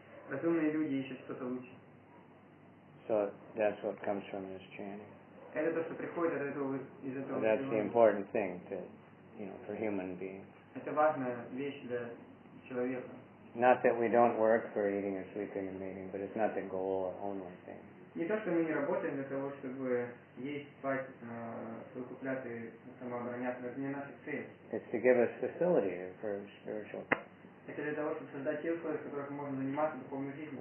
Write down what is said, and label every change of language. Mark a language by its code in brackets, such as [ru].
[ru] Разумные люди ищут что-то лучше. [en] So that's what comes from this chanting. [ru] Это то, что приходит от этого из этого. [en] That's the important thing to, you know, for human beings. [ru] Это важная вещь для человека. [en] Not that we don't work for eating and sleeping and mating, but it's not the goal or only thing. [ru] Не то, что мы не работаем для того, чтобы есть, спать, выкупляться и самообороняться. Это не наша цель. [en] It's to give us facility for spiritual. [ru] Это для того, чтобы создать те условия, в которых можно заниматься духовной жизнью.